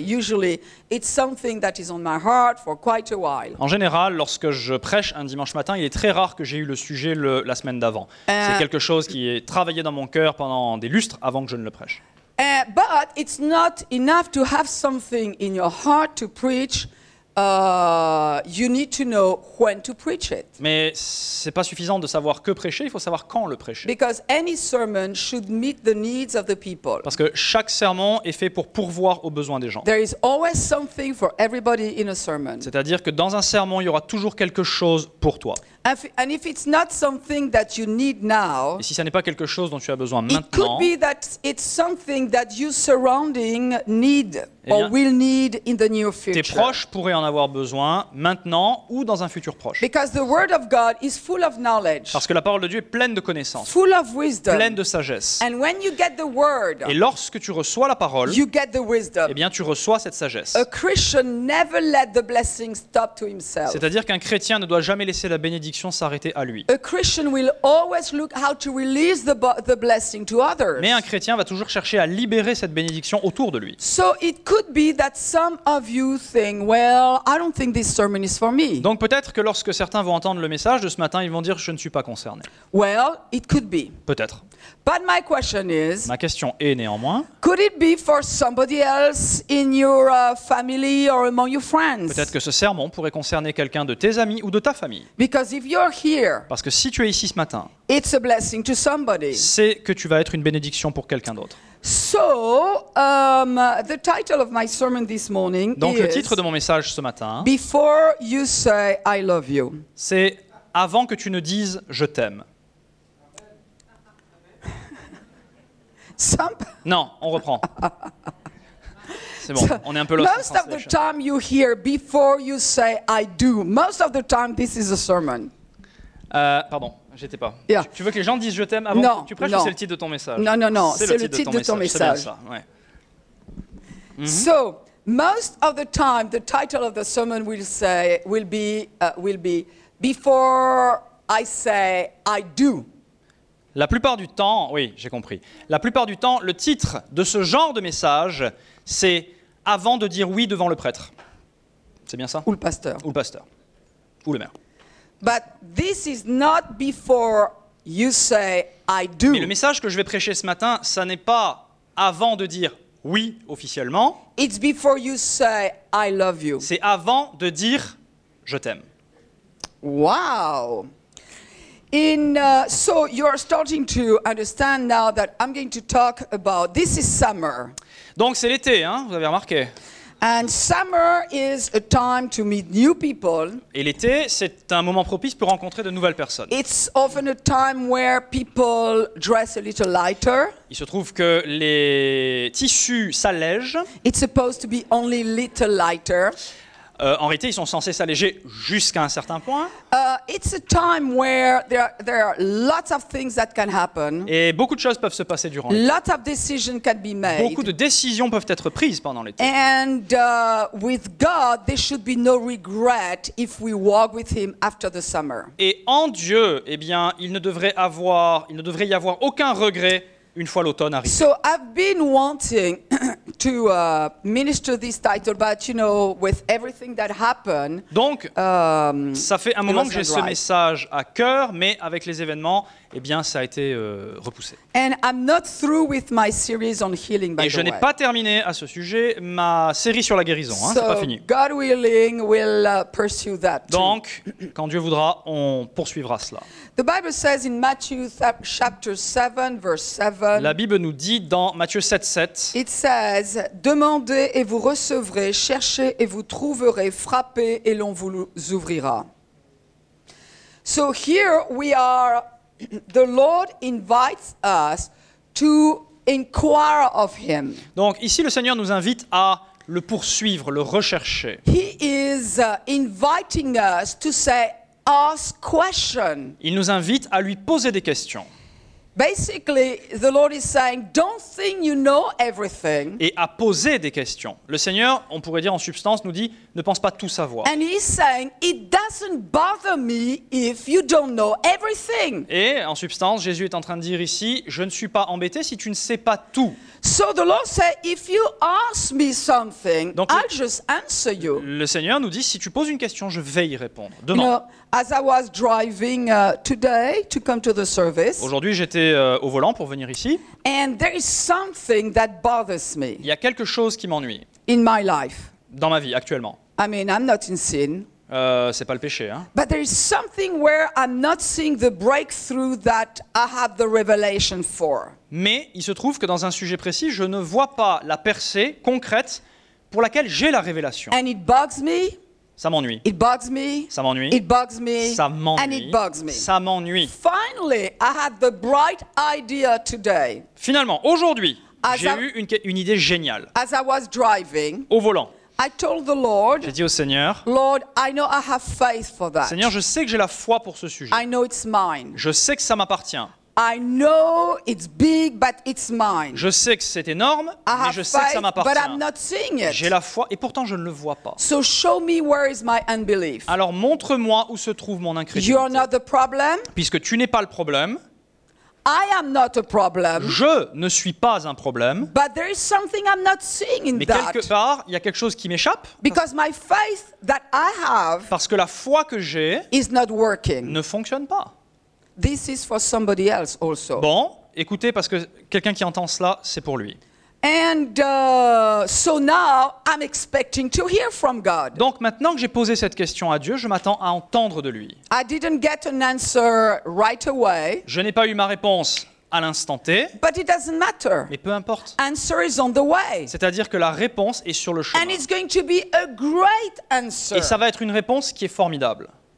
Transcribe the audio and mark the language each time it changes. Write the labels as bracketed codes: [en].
[en] Usually it's something that is on my heart for quite a while. [fr] En général, lorsque je prêche un dimanche matin, il est très rare que j'ai eu le sujet la semaine d'avant. C'est quelque chose qui est travaillé dans mon cœur pendant des lustres avant que je ne le prêche. [en] But it's not enough to have something in your heart to preach. You need to know when to preach it. [fr] Mais c'est pas suffisant de savoir que prêcher, il faut savoir quand le prêcher. [en] Because any sermon should meet the needs of the people. [fr] Parce que chaque sermon est fait pour pourvoir aux besoins des gens. [en] There is always something for everybody in a sermon. [fr] C'est-à-dire que dans un sermon, il y aura toujours quelque chose pour toi. [en] And if it's not something that you need now, [fr] et si ça n'est pas quelque chose dont tu as besoin maintenant, [en] it could be that it's something that your surrounding need or will need in the near future. [fr] Tes proches pourraient en avoir besoin maintenant ou dans un futur proche. [en] Because the word of God is full of knowledge. [fr] Parce que la parole de Dieu est pleine de connaissances. [en] Full of wisdom. [fr] Pleine de sagesse. [en] And when you get the word, [fr] et lorsque tu reçois la parole, [en] you get the wisdom. [fr] Eh bien, tu reçois cette sagesse. [en] A Christian never let the blessing stop to himself. [fr] C'est-à-dire qu'un chrétien ne doit jamais laisser la bénédiction s'arrêter à lui. [en] A Christian will always look how to release the blessing to others. [fr] Mais un chrétien va toujours chercher à libérer cette bénédiction autour de lui. [en] So it could be that some of you think, well, I don't think this sermon is for me. [fr] Donc peut-être que lorsque certains vont entendre le message de ce matin, ils vont dire je ne suis pas concerné. [en] Well, it could be. [fr] Peut-être. [en] But my question is, [fr] ma question est néanmoins, [en] could it be for somebody else in your family or among your friends? [fr] Peut-être que ce sermon pourrait concerner quelqu'un de tes amis ou de ta famille. [en] Because if you're here, [fr] parce que si tu es ici ce matin, [en] it's a blessing to somebody. [fr] C'est que tu vas être une bénédiction pour quelqu'un d'autre. [en] So, the title of my sermon this morning is, [fr] donc le titre de mon message ce matin, [en] Before You Say I Love You. [fr] C'est avant que tu ne dises je t'aime. Non, on reprend. C'est bon, on est un peu lost. [en] Most of the time you hear before you say I do. Most of the time this is a sermon. [fr] Pardon, j'étais pas. [en] Yeah. [fr] Tu veux que les gens disent je t'aime avant que tu prêches, c'est le titre de ton message. Non, c'est le titre de ton message. C'est bien ça. Ouais. [en] So, most of the time the title of the sermon will be before I say I do. [fr] La plupart du temps, oui, j'ai compris. La plupart du temps, le titre de ce genre de message, c'est « Avant de dire oui devant le prêtre ». C'est bien ça ? Ou le pasteur. Ou le pasteur. Ou le maire. [en] But this is not before you say I do. [fr] Mais le message que je vais prêcher ce matin, ça n'est pas avant de dire oui officiellement. [en] It's before you say I love you. [fr] C'est avant de dire je t'aime. [en] Wow. In so you're starting to understand now that I'm going to talk about this is summer. [fr] Donc c'est l'été, hein, vous avez remarqué. [en] And summer is a time to meet new people. [fr] Et l'été, c'est un moment propice pour rencontrer de nouvelles personnes. [en] It's often a time where people dress a little lighter. [fr] Il se trouve que les tissus s'allègent. [en] It's supposed to be only a little lighter. [fr] En réalité, ils sont censés s'alléger jusqu'à un certain point. [en] It's a time where there are lots of things that can happen. [fr] Et beaucoup de choses peuvent se passer durant l'été. [en] Lots of decisions can be made. [fr] Beaucoup de décisions peuvent être prises pendant l'été. [en] And with God, there should be no regret if we walk with Him after the summer. [fr] Et en Dieu, eh bien, il ne devrait y avoir aucun regret une fois l'automne arrivé. [en] So I've been wanting to minister this title, but you know, with everything that happened. [fr] Donc, ça fait un moment que j'ai ce message à cœur, mais avec les événements, eh bien, ça a été repoussé. [en] And I'm not through with my series on healing, by the way. [fr] Et je n'ai pas terminé à ce sujet ma série sur la guérison. Hein, [en] so, [fr] c'est pas fini. [en] God willing, we'll pursue that. [fr] Donc, quand Dieu voudra, on poursuivra cela. [en] The Bible says in Matthew chapter 7, verse 7. [fr] La Bible nous dit dans Matthieu 7:7. [en] It says, [fr] demandez et vous recevrez, cherchez et vous trouverez, frappez et l'on vous ouvrira. [en] So here we are. The Lord invites us to inquire of Him. [fr] Donc ici le Seigneur nous invite à le poursuivre, le rechercher. [en] He is inviting us to say, ask questions. [fr] Il nous invite à lui poser des questions. [en] Basically, the Lord is saying, don't think you know everything. [fr] Et à poser des questions. Le Seigneur, on pourrait dire en substance, nous dit, ne pense pas tout savoir. [en] And he's saying, it doesn't bother me if you don't know everything. [fr] Et en substance, Jésus est en train de dire ici, je ne suis pas embêté si tu ne sais pas tout. [en] So the Lord says, if you ask me something, [fr] donc, [en] I'll just answer you. [fr] Le Seigneur nous dit, si tu poses une question, je vais y répondre. Demain. [en] As I was driving today to come to the service. [fr] Aujourd'hui, j'étais au volant pour venir ici. [en] And there is something that bothers me. [fr] Il y a quelque chose qui m'ennuie. [en] In my life. [fr] Dans ma vie actuellement. [en] I mean, I'm not in sin. [fr] C'est pas le péché, hein. [en] But there is something where I'm not seeing the breakthrough that I have the revelation for. [fr] Mais il se trouve que dans un sujet précis, je ne vois pas la percée concrète pour laquelle j'ai la révélation. [en] And it bugs me. [fr] Ça m'ennuie. [en] It bugs me. [fr] Ça m'ennuie. [en] It bugs me. [fr] Ça m'ennuie. [en] And it bugs me. [fr] Ça m'ennuie. [en] Finally, I had the bright idea today. [fr] Finalement, aujourd'hui, j'ai eu une idée géniale. [en] As I was driving, [fr] au volant, [en] I told the Lord, [fr] j'ai dit au Seigneur, [en] Lord, I know I have faith for that. [fr] Seigneur, je sais que j'ai la foi pour ce sujet. [en] I know it's mine. [fr] Je sais que ça m'appartient. [en] I know it's big, but it's mine. [fr] Je sais que c'est énorme, mais je sais que ça m'appartient. [en] But I'm not seeing it. [fr] J'ai la foi, et pourtant je ne le vois pas. [en] So show me where is my unbelief. [fr] Alors montre-moi où se trouve mon incrédulité. [en] You're not the problem. [fr] Puisque tu n'es pas le problème. [en] I am not a problem. [fr] Je ne suis pas un problème. [en] But there is something I'm not seeing in [fr] Mais quelque part, il y a quelque chose qui m'échappe. [en] Because my faith that I have. [fr] Parce que la foi que j'ai. [en] Is not working. [fr] Ne fonctionne pas. [en] This is for somebody else also. [fr] Bon, écoutez, parce que quelqu'un qui entend cela, c'est pour lui. [en] And so now I'm expecting to hear from God. [fr] Donc maintenant que j'ai posé cette question à Dieu, je m'attends à entendre de lui. [en] I didn't get an answer right away. [fr] Je n'ai pas eu ma réponse à l'instant T. [en] But it doesn't matter. [fr] Mais peu importe. [en] Answer is on the way. [fr] C'est-à-dire que la réponse est sur le chemin. [en] And it's going to be a great answer. [fr] Et ça va être une réponse qui est formidable.